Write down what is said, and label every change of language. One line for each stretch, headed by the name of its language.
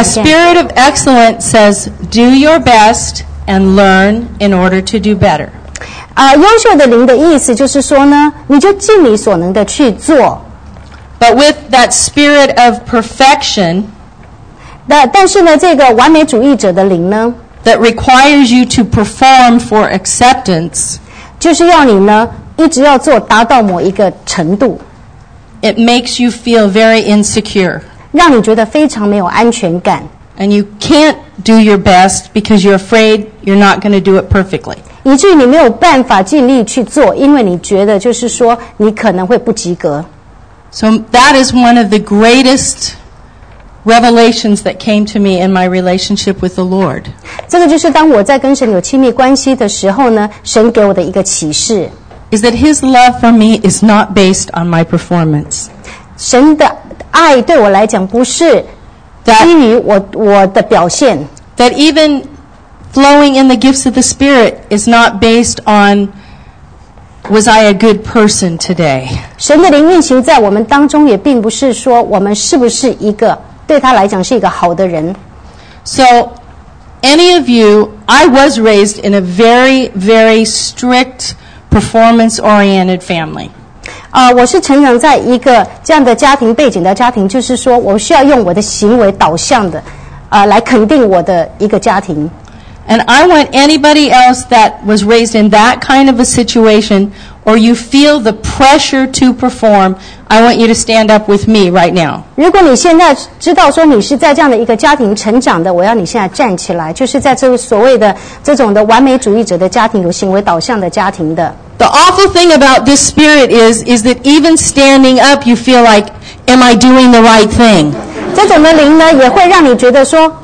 English: A spirit of excellence says, do your best and learn in order to do better.
Chinese: 优秀的灵的意思就是说呢，你就尽你所能的去做。
English: But with that spirit of perfection,
Chinese: 但是呢，这个完美主义者的灵呢
English: ，that requires you to perform for acceptance,
Chinese: 就是要你呢一直要做，达到某一个程度。
English: It makes you feel very insecure,
Chinese: 让你觉得非常没有安全感。
English: And you can't do your best because you're afraid you're not going to do it perfectly.
Chinese: 以至于你没有办法尽力去做，因为你觉得就是说你可能会不及格。
English: So that is one of the greatest revelations that came to me in my relationship with the Lord.
Chinese: 这个就是当我在跟神有亲密关系的时候呢，神给我的一个启示。
English: Is that His love for me is not based on my performance.
Chinese: 神的爱对我来讲不是基于我的表现。
English: That evenflowing in the gifts of the Spirit is not based on was I a good person today.
Chinese: 神的灵运行在我们当中也并不是说我们是不是一个对他来讲是一个好的人。
English: So, any of you, I was raised in a very, very strict performance-oriented family.
Chinese: 我是成长在一个这样的家庭背景的家庭，就是说我需要用我的行为导向的来肯定我的一个家庭。
English: And I want anybody else that was raised in that kind of a situation, or you feel the pressure to perform, I want you to stand up with me right now.
Chinese: 如果你现在知道说你是在这样的一个家庭成长的，我要你现在站起来，就是在这个所谓的这种的完美主义者的家庭，有行为导向的家庭的。
English: The awful thing about this spirit is that even standing up, you feel like, am I doing the right thing?
Chinese: 这种的灵呢，也会让你觉得说